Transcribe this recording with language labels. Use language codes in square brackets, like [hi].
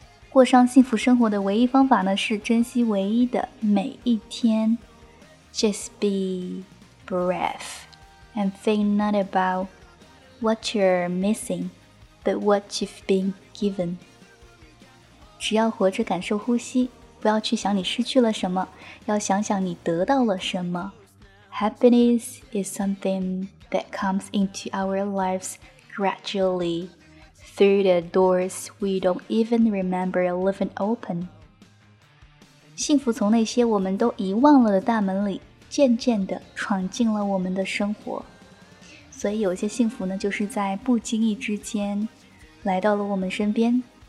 [zh] 过上幸福生活的唯一方法呢是珍惜唯一的每一天。 [en] Just be brave and think not about what you're missing, but what you've been given. [zh] 只要活着感受呼吸，不要去想你失去了什么，要想想你得到了什么。 [en] Happiness is something that comes into our lives gradually through the doors we don't even remember leaving open. [zh] 幸福从那些我们都遗忘了的大门里渐渐地闯进了我们的生活。所以有些幸福呢就是在不经意之间来到了我们身边。